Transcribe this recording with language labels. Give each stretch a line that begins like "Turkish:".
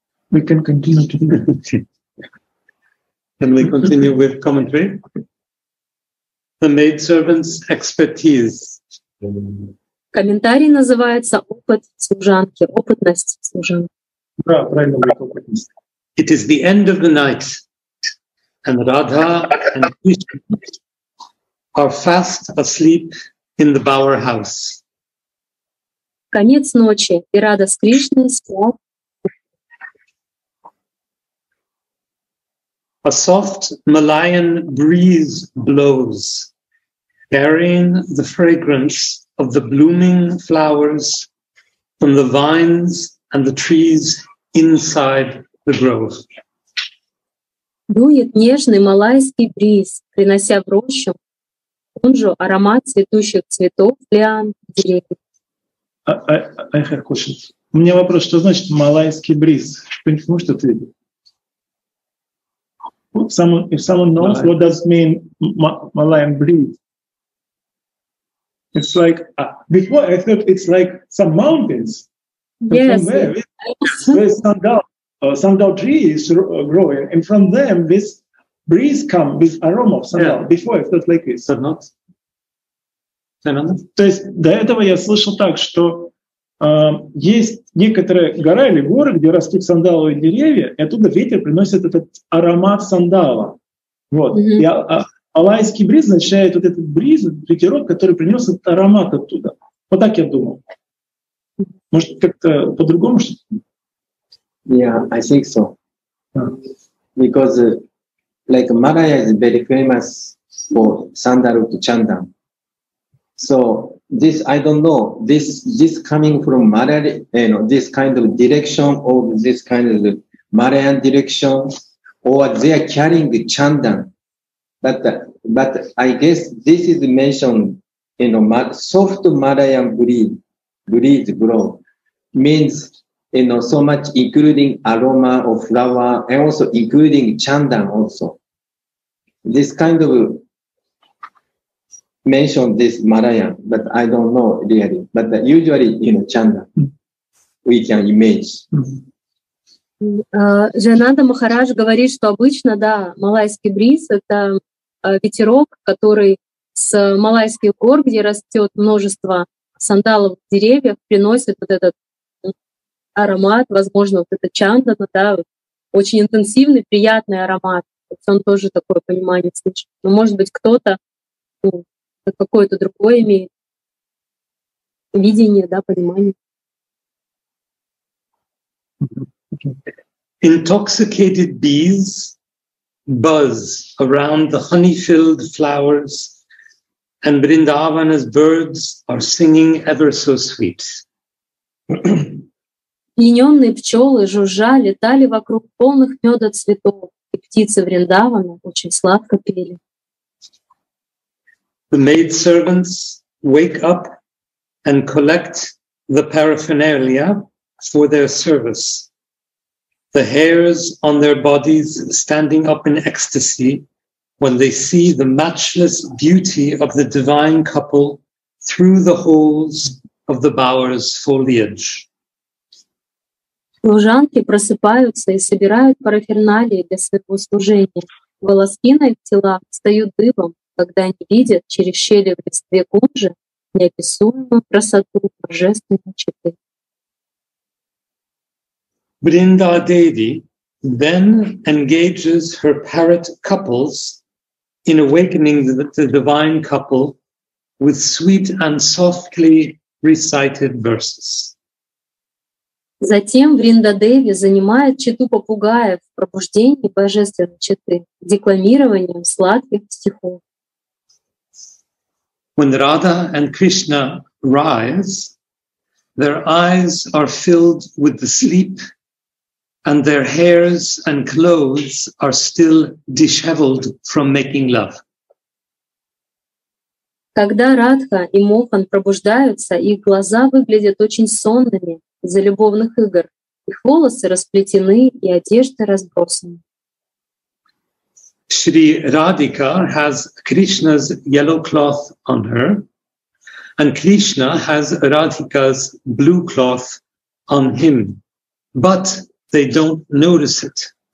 English: We can continue to Can we continue with commentary? The maidservant's expertise.
Russian: Комментарий называется «Опыт служанки», «Опытность служанки». Да, правильно, «Опытность».
English: It is the end of the night, and Radha and Krishna are fast asleep in the bower house.
Russian: Конец ночи, и Радха с Кришной спят.
English: A soft Malayan breeze blows, carrying the fragrance of the blooming flowers from the vines and the trees inside the grove.
Russian: Дует нежный малайский бриз, принося в рощу кунжу аромат цветущих цветов лиан деревьев.
English: I have a question.
Russian: У меня вопрос, что значит малайский бриз? Кто-нибудь может ответить?
English: If someone knows Malayan. What does mean Malayan breeze? It's like before I thought it's like some mountains. Yes. There's sandal trees growing, and from them this breeze comes with aroma of sandal. Yeah. Before I thought like this. But not.
Russian: То есть до этого я слышал так, что есть некоторые горы или горы, где растут сандаловые деревья, и оттуда ветер приносит этот аромат сандала. Вот. Mm-hmm. И алайский бриз означает вот этот бриз, ветерок, который принес этот аромат оттуда. Вот так я думал. Может, как-то по-другому что-то?
English: Yeah, I think so. Yeah. Because like Malaya is very famous for sandalwood chandan. So this I don't know. This coming from Malay, you know, this kind of direction or this kind of Malayan direction, or they are carrying the chandan. But I guess this is mentioned, you know, soft Malayan breeze blow means, you know, so much including aroma of flower and also including chandan also. This kind of mention this Malayan, but I don't know really. But usually, you know, chanda, we can image.
Russian: Джананда Махарадж говорит, что обычно, да, малайский бриз — это ветерок, который с малайских гор, где растет множество сандаловых деревьев, приносит вот этот аромат, возможно, вот этот чанда, да, очень интенсивный, приятный аромат. Он тоже такое понимание слышит. Но, может быть, кто-то какое-то другое имеет видение, да, понимание.
English: Intoxicated bees buzz around the honey-filled flowers, and Vrindavana's birds are singing ever so sweet.
Russian: Пьянённые пчёлы жужжа летали вокруг полных мёда цветов, и птицы Вриндавана очень сладко пели.
English: The maidservants wake up and collect the paraphernalia for their service. The hairs on their bodies standing up in ecstasy when they see the matchless beauty of the divine couple through the holes of the bower's foliage.
Russian: Служанки просыпаются и собирают параферналии для своего служения. Волоски на их телах встают дыбом, когда они видят через щели в листве кунжи неописуемую красоту божественной четы.
English: Бринда Деви then engages her parrot couples in awakening the divine couple with sweet and softly recited verses.
Russian: Затем Бринда Деви занимает чету попугаев в пробуждении божественной четы декламированием сладких стихов.
English: When Radha and Krishna rise, their eyes are filled with the sleep, and their hairs and clothes are still disheveled from making love.
Russian: Когда Радха и Мохан пробуждаются, их глаза выглядят очень сонными из-за любовных игр, их волосы расплетены и одежда разбросана.
English: Shri Radhika has Krishna's yellow cloth on her, and Krishna has Radhika's blue cloth on him, but they don't notice it.